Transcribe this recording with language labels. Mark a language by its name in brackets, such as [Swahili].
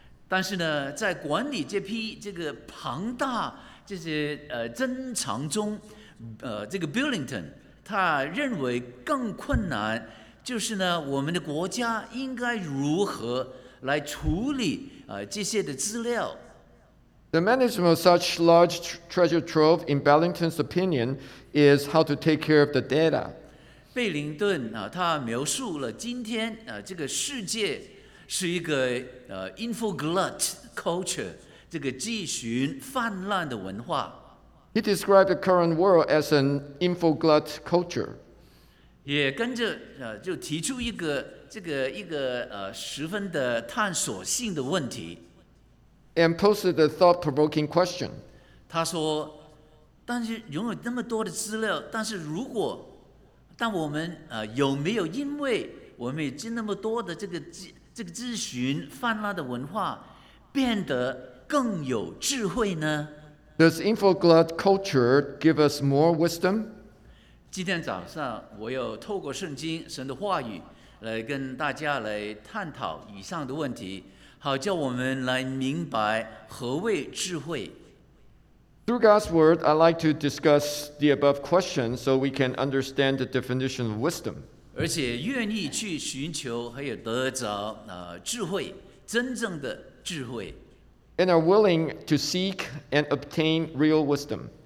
[Chinese] 但是呢，在管理这批这个庞大这些珍藏中，这个 Billington 他认为更困难就是呢，我们的国家应该如何来处理这些的资料。 [English] The management of such large treasure trove, in Billington's opinion, is how to take care of the data. [Chinese] 贝灵顿他描述了今天这个世界是一个infoglut culture， 这个继续泛滥的文化。 [English] He described the current world as an infoglut culture。 [Chinese] 也跟着就提出一个这个一个十分的探索性的问题。 [English] And posted a thought-provoking question。 [Chinese] 他说，但是拥有那么多的资料，但是如果，但我们有没有因为我们已经那么多的这个资讯泛滥的文化，变得更有智慧呢？ [English] Does infoglut culture give us more wisdom? [Chinese] 今天早上我又透过圣经神的话语来跟大家来探讨以上的问题，好叫我们来明白何谓智慧。 [English] Through God's word, I'd like to discuss the above question so we can understand the definition of wisdom. [Chinese] 而且愿意去寻求还有得着智慧，真正的智慧。 [English] And are willing to seek and obtain real wisdom.